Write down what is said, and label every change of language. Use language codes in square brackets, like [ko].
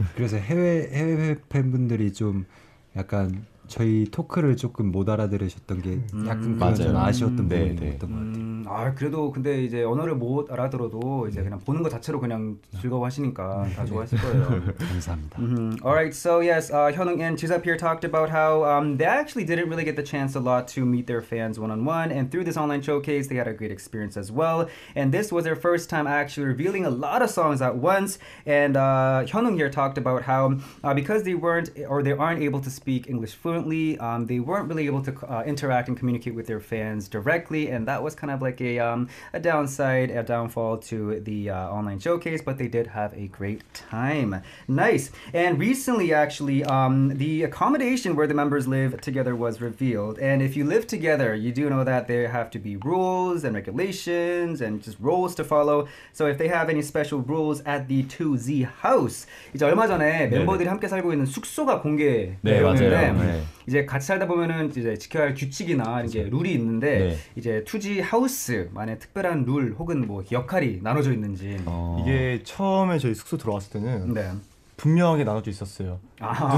[ko] 그래서 해외 팬분들이 좀 약간 저희 토크를 조금 못 알아들으셨던 게 약간 맞아요. 아쉬웠던 부분이었던 것 같아요. 아 그래도 근데 이제 언어를 못 알아들어도 이제 네. 그냥 보는 것 자체로 그냥 즐거워하시니까 다 좋아하실 거예요. 감사합니다. [en] Alright, so yes, Hyunung and Jisup here talked about how they actually didn't really get the chance a lot to meet their fans one-on-one, and through this online showcase, they had a great experience as well. And this was their first time actually revealing a lot of songs at once. And Hyunung here talked about how because they aren't able to speak English fluently, they weren't really able to interact and communicate with their fans directly, and that was kind of like a downfall to the online showcase, but they did have a great time. Nice. And recently, actually, the accommodation where the members live together was revealed. And if you live together, you do know that there have to be rules and regulations and just roles to follow. So if they have any special rules at the 2Z house, [ko] 이제 얼마 전에 네네. 멤버들이 함께 살고 있는 숙소가 공개되었는데 네, 맞아요. 이제 같이 살다 보면은 이제 지켜야 할 규칙이나 이제 룰이 있는데 네. 이제 2G 하우스만의 특별한 룰 혹은 뭐 역할이 나눠져 있는지 이게 처음에 저희 숙소 들어왔을 때는 네. 분명하게 나눠져 있었어요. 아하.